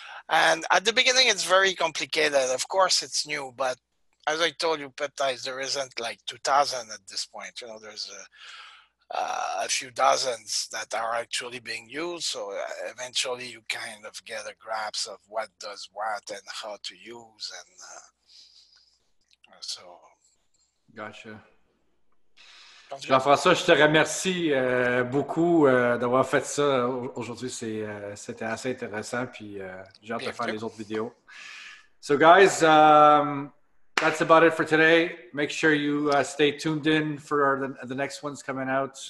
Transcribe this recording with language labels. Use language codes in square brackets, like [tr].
[en] And at the beginning, it's very complicated. Of course, it's new, but as I told you, peptides, there isn't like 2,000 at this point. You know, there's a few dozens that are actually being used. So eventually you kind of get a grasp of what does what and how to use. And so. Gotcha. [fr] Jean-François, je te remercie beaucoup d'avoir fait ça aujourd'hui. C'était assez intéressant. Puis j'ai hâte de faire les autres vidéos. [en] So guys, that's about it for today. Make sure you stay tuned in for the next ones coming out.